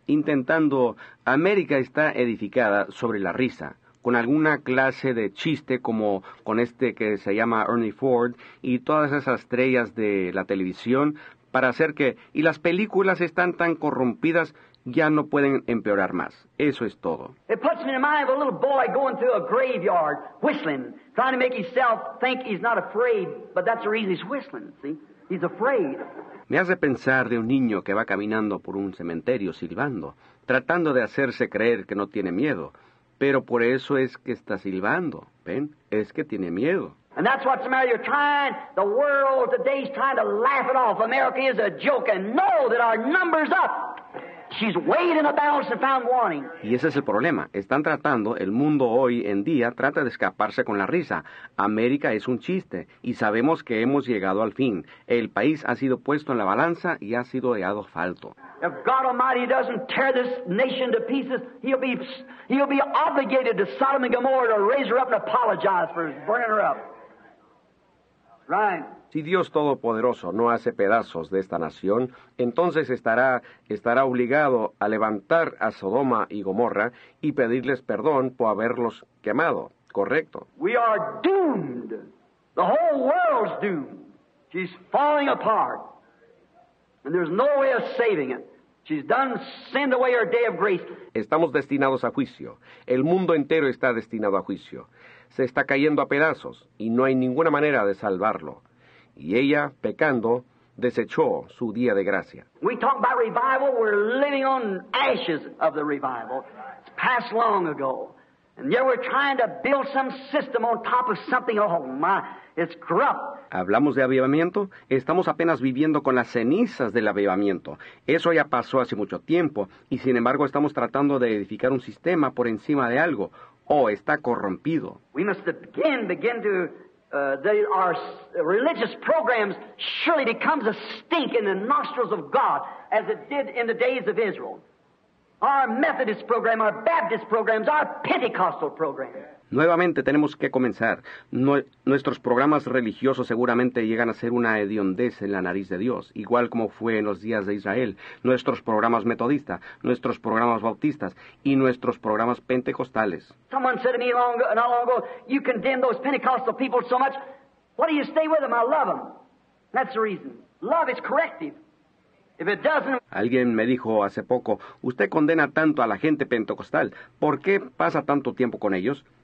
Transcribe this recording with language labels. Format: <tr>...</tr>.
<es>Intentando, América está edificada sobre la risa, con alguna clase de chiste como con este que se llama Ernie Ford y todas esas estrellas de la televisión para hacer que... Y las películas están tan corrompidas, ya no pueden empeorar más. Eso es todo.</es> <en>It puts me in mind of a little boy going through a graveyard, whistling, trying to make himself think he's not afraid, but that's the reason he's whistling, see? He's afraid.</en> <es>Me hace pensar de un niño que va caminando por un cementerio silbando, tratando de hacerse creer que no tiene miedo. Pero por eso es que está silbando, ¿ven? Es que tiene miedo.</es> <en>And that's what's the matter. You're trying, the world today's trying to laugh it off. America is a joke, and know that our number's up. She's weighed in the balance and found wanting.</en> <es>Y ese es el problema. Están tratando, el mundo hoy en día trata de escaparse con la risa. América es un chiste, y sabemos que hemos llegado al fin. El país ha sido puesto en la balanza y ha sido hallado falto.</es> <en>If God Almighty doesn't tear this nation to pieces, he'll be obligated to Sodom and Gomorrah to raise her up and apologize for burning her up. Right.</en> <es>Si Dios Todopoderoso no hace pedazos de esta nación, entonces estará obligado a levantar a Sodoma y Gomorra y pedirles perdón por haberlos quemado. Correcto.</es> <en>We are doomed. The whole world's doomed. She's falling apart. And there's no way of saving it. She's done sinned away her day of grace.</en> <es>Estamos destinados a juicio. El mundo entero está destinado a juicio. Se está cayendo a pedazos y no hay ninguna manera de salvarlo. Y ella, pecando, desechó su día de gracia.</es> <en>We talk about revival, we're living on ashes of the revival. It's passed long ago. And yet we're trying to build some system on top of something. Oh my, it's corrupt.</en> <es>¿Hablamos de avivamiento? Estamos apenas viviendo con las cenizas del avivamiento. Eso ya pasó hace mucho tiempo, y sin embargo estamos tratando de edificar un sistema por encima de algo. Oh, está corrompido.</es> <en>We must begin to... our religious programs, surely becomes a stink in the nostrils of God, as it did in the days of Israel. Our Methodist program, our Baptist programs, our Pentecostal programs.</en> <es>Nuevamente tenemos que comenzar. Nuestros programas religiosos seguramente llegan a ser una hediondez en la nariz de Dios, igual como fue en los días de Israel. Nuestros programas metodistas, nuestros programas bautistas y nuestros programas pentecostales.</es> <en>Someone said to me not long ago, you condemn those Pentecostal people so much. Why do you stay with them? I love them. That's the reason. Love is corrective. If it doesn't...</en> <es>Alguien me dijo hace poco, usted condena tanto a la gente pentecostal. ¿Por qué pasa tanto tiempo con ellos?</es>